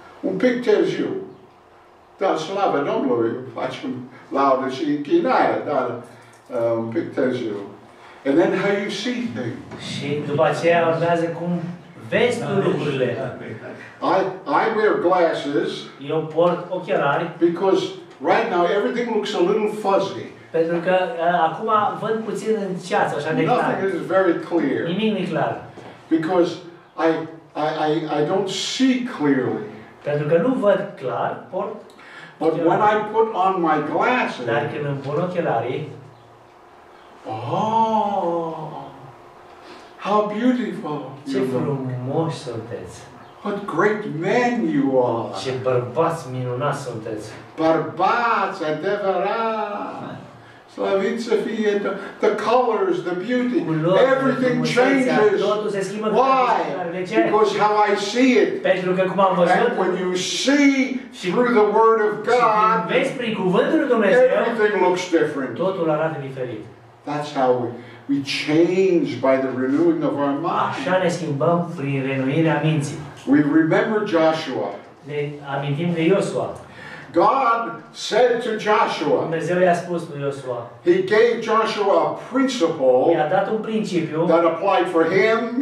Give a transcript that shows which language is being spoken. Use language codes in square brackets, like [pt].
[ro] Un pic târziu, dar slavă Domnului, facem laudă și închinare, dar un pic târziu. [en] And then how you see things. [ro] Și după aceea urmează cum vezi tu lucrurile. [en] I wear glasses. [ro] Eu port ochelari. [en] Because right now everything looks a little fuzzy. [ro] Pentru că acum văd puțin în ceață, așa de clar. [en] Nothing is very clear. [ro] Nimic nu e clar. [en] Because I don't see clearly. [ro] Pentru că nu văd clar, port. [en] But when I put on my glasses. [ro] Dar când îmi pun ochelari. [en] Oh, how beautiful [ro] ce frumos sunteți! [en] What great men you are! [ro] Ce bărbați minunați sunteți! Bărbați, adevărat! Slăviți să fie! [en] The colors, the beauty, [ro] culori, [en] everything changes! [ro] Se schimbă. [en] Why? Because how I see it! [ro] Pentru că cum am văzut! [en] And when you see through the Word of God, [ro] vezi prin cuvântul lui Dumnezeu, [en] everything looks different! [ro] Totul arată diferit! [en] That's how we change by the renewing of our mind. [ro] Așa ne schimbăm prin renoirea minții. [en] We remember Joshua. [ro] Ne amintim de Iosua. [en] God said to Joshua. [ro] Dumnezeu i-a spus lui Iosua. [en] He gave Joshua a principle. [ro] I-a dat un principiu. [en] That applied for him.